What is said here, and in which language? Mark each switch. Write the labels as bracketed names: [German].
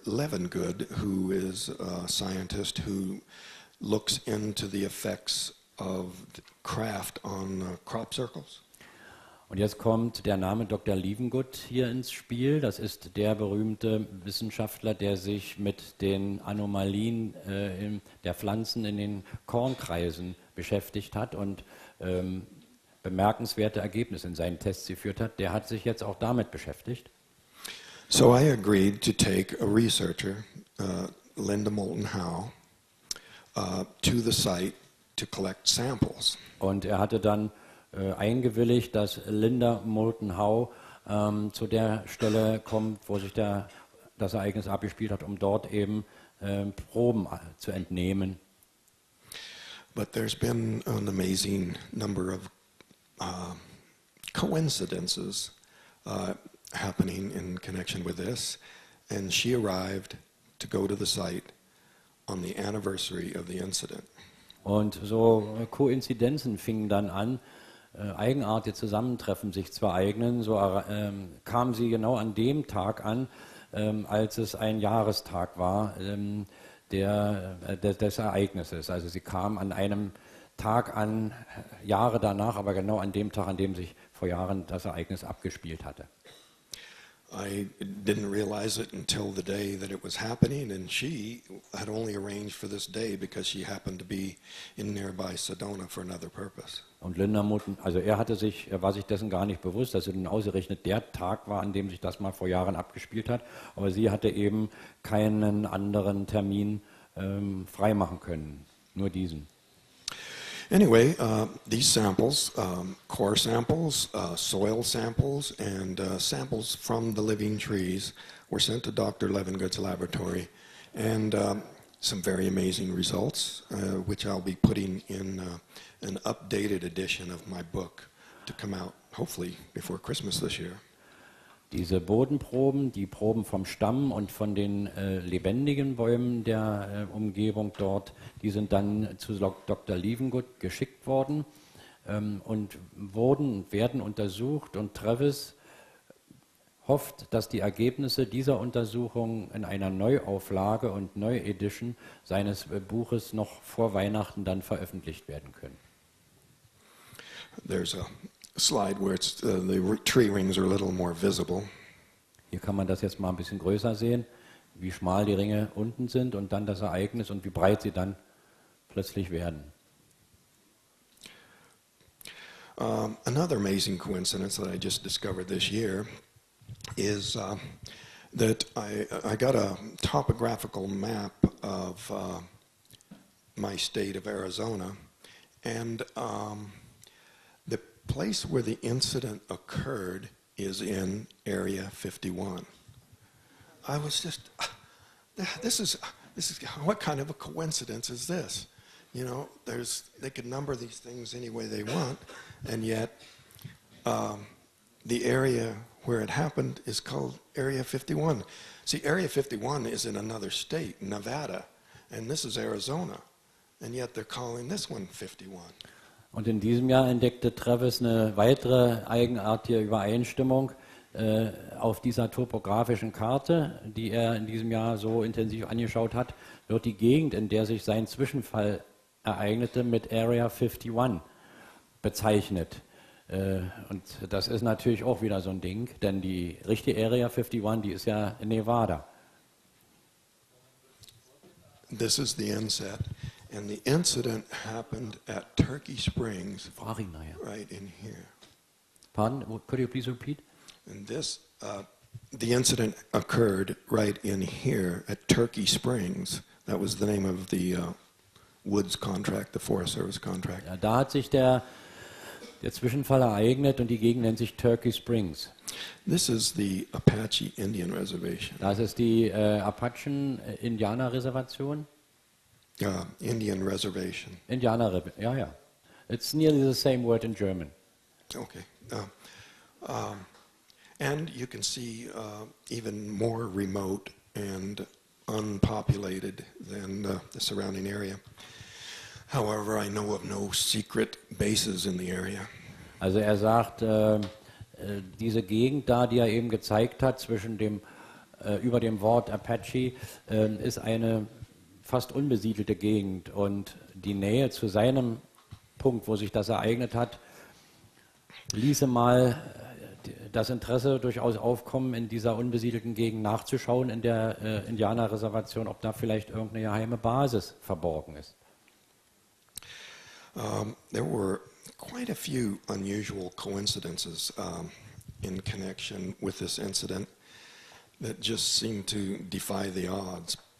[English] Levengood, who is a scientist who looks into the effects of the craft on crop circles. [German] Und jetzt kommt der Name Dr. Levengood hier ins Spiel. Das ist der berühmte Wissenschaftler, der sich mit den Anomalien der Pflanzen in den Kornkreisen beschäftigt hat und bemerkenswerte Ergebnisse in seinen Tests geführt hat. Der hat sich jetzt auch damit beschäftigt. [English] So I agreed to take a researcher, Linda Moulton Howe, to the site to collect samples. [German] Und er hatte dann eingewilligt, dass Linda Moulton Howe zu der Stelle kommt, wo sich das Ereignis abgespielt hat, um dort eben Proben zu entnehmen. [English] But there's been an amazing number of coincidences happening in connection with this, and she arrived to go to the site on the anniversary of the incident. [German] Und so Koinzidenzen fingen dann an, eigenartige Zusammentreffen sich zu ereignen, so kam sie genau an dem Tag an, als es ein Jahrestag war des Ereignisses. Also sie kam an einem Tag an, Jahre danach, aber genau an dem Tag, an dem sich vor Jahren das Ereignis abgespielt hatte. [English] I didn't realize it until the day that it was happening, and she had only arranged for this day because she happened to be in nearby Sedona for another purpose. [German] Und Linda Moulton, also er war sich dessen gar nicht bewusst, dass es nun ausgerechnet der Tag war, an dem sich das mal vor Jahren abgespielt hat, aber sie hatte eben keinen anderen Termin freimachen können, nur diesen. [English] Anyway, these samples, core samples, soil samples, and samples from the living trees were sent to Dr. Levengood's laboratory, and some very amazing results, which I'll be putting in an updated edition of my book to come out, hopefully, before Christmas this year. [German] Diese Bodenproben, die Proben vom Stamm und von den lebendigen Bäumen der Umgebung dort, die sind dann zu Dr. Levengood geschickt worden. und wurden und werden untersucht, und Travis hofft, dass die Ergebnisse dieser Untersuchung in einer Neuauflage und Neuedition seines Buches noch vor Weihnachten dann veröffentlicht werden können. [English] There's a slide where it's, the tree rings are a little more visible. [German] Hier kann man das jetzt mal ein bisschen größer sehen, wie schmal die Ringe unten sind und dann das Ereignis und wie breit sie dann plötzlich werden. [English] Another amazing coincidence that I just discovered this year is that I got a topographical map of my state of Arizona, and the place where the incident occurred is in Area 51. I was just, this is what kind of a coincidence is this? You know, there's, they can number these things any way they want, and yet the area where it happened is called Area 51. See, Area 51 is in another state, Nevada, and this is Arizona, and yet they're calling this one 51. [German] Und in diesem Jahr entdeckte Travis eine weitere eigenartige Übereinstimmung auf dieser topografischen Karte, die er in diesem Jahr so intensiv angeschaut hat, wird die Gegend, in der sich sein Zwischenfall ereignete, mit Area 51 bezeichnet. Und das ist natürlich auch wieder so ein Ding, denn die richtige Area 51, die ist ja in Nevada. [English] This is the inset. And the incident happened at Turkey Springs, right in here. Pardon? Could you please repeat? And this, the incident occurred right in here at Turkey Springs. That was the name of the Woods contract, the Forest Service contract. [German] Ja, da hat sich der Zwischenfall ereignet, und die Gegend nennt sich Turkey Springs. [English] This is the Apache Indian Reservation. [German] Das ist die Apachen-Indianer-Reservation. [English] Indian Reservation. [German] Indianer, ja, ja. [English] It's nearly the same word in German. Okay. And you can see even more remote and unpopulated than the surrounding area. However, I know of no secret bases in the area. [German] Also er sagt, diese Gegend da, die er eben gezeigt hat, zwischen dem, über dem Wort Apache, ist eine fast unbesiedelte Gegend, und die Nähe zu seinem Punkt, wo sich das ereignet hat, ließe mal das Interesse durchaus aufkommen, in dieser unbesiedelten Gegend nachzuschauen, in der Indianerreservation, ob da vielleicht irgendeine geheime Basis verborgen ist. [English] There were quite a few unusual coincidences in connection with this incident that just seemed to defy the odds.